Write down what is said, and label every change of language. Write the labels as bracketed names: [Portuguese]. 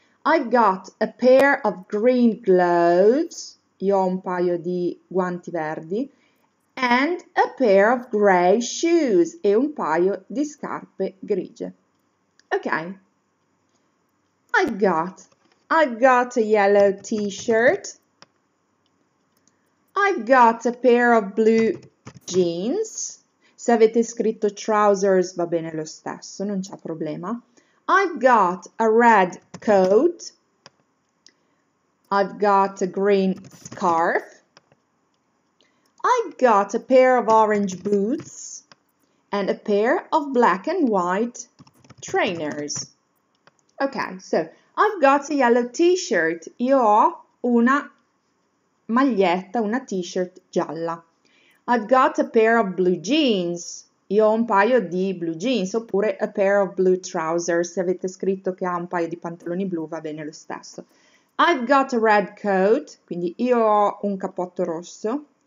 [English] I've got a pair of green gloves, [Italian] io ho un paio di guanti verdi. [English] And a pair of grey shoes, [Italian] e un paio di scarpe grigie. [English] Ok, I've got a yellow t-shirt. I've got a pair of blue jeans. [Italian] Se avete scritto trousers va bene lo stesso, non c'è problema. [English] I've got a red coat. I've got a green scarf. I've got a pair of orange boots. And a pair of black and white trainers. Ok, so, I've got a yellow t-shirt. [Italian] Io ho una maglietta, una t-shirt gialla. [English] I've got a pair of blue jeans, [Italian] io ho un paio di blue jeans, oppure [English] a pair of blue trousers, [Italian] se avete scritto che ha un paio di pantaloni blu va bene lo stesso. [English] I've got a red coat, [Italian] quindi io ho un cappotto rosso.